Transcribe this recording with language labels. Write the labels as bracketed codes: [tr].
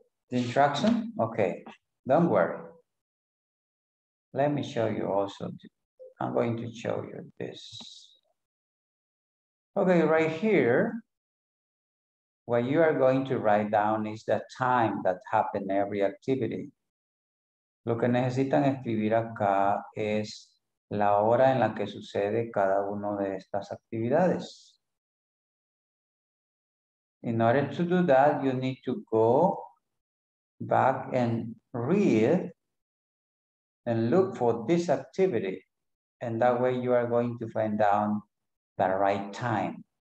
[en] The instruction? Okay, don't worry. Let me show you also. I'm going to show you this. Okay, right here, what you are going to write down is the time that happened every activity. [es] Lo que necesitan escribir acá es la hora en la que sucede cada una de estas actividades. [en] In order to do that, you need to go back and read and look for this activity. And that way you are going to find out the right time.